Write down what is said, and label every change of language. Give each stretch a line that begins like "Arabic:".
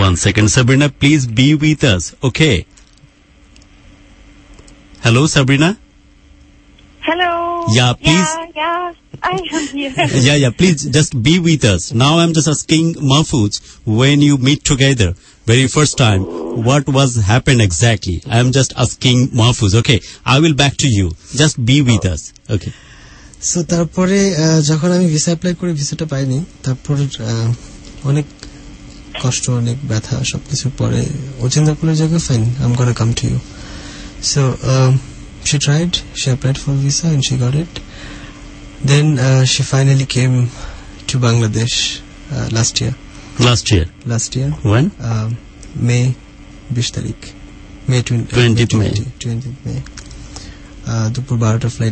English: One second Sabrina please be with us okay hello Sabrina Hello. Yeah, please. Yeah, I am here. Yeah, please just be with us. Now I'm just asking Mahfuz, when you meet together, very first time, what was happened exactly? I'm just asking Mahfuz, okay? I will back to you. Just be with us. Okay.
Bangla: So, তারপরে যখন আমি visa apply করে visaটা পাইনি, তারপর অনেক কষ্ট, অনেক ব্যথা, সবকিছু পরে, ও চিন্তা করলো যে,
English: fine, I'm gonna come to you. So, She tried, she applied for visa and she got it. Then she finally came to to Bangladesh last year. Last year? Last year. When? May 20
Bangla: tarikh.
English: May 20th May.
Bangla: Dupur 12ta
English: flight